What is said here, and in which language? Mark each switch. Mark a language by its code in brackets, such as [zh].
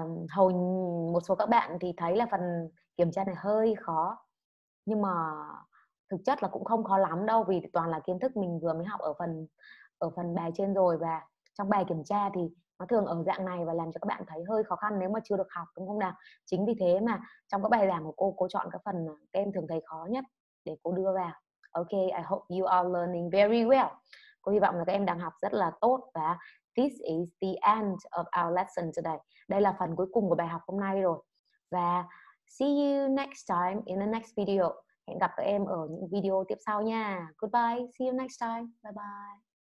[vi] Hầu một số các bạn thì thấy là phần kiểm tra này hơi khó, nhưng mà thực chất là cũng không khó lắm đâu, vì toàn là kiến thức mình vừa mới học ở phần bài trên rồi, và trong bài kiểm tra thì nó thường ở dạng này và làm cho các bạn thấy hơi khó khăn nếu mà chưa được học, đúng không nào? Chính vì thế mà trong các bài giảng của cô chọn các phần các em thường thấy khó nhất để cô đưa vào. [en] Ok, I hope you are learning very well. [vi] Cô hy vọng là các em đang học rất là tốt. [en] Và this is the end of our lesson today. [vi] Đây là phần cuối cùng của bài học hôm nay rồi. Và [en] see you next time in the next video. [vi] Hẹn gặp các em ở những video tiếp sau nha. [en] Goodbye, see you next time. Bye bye.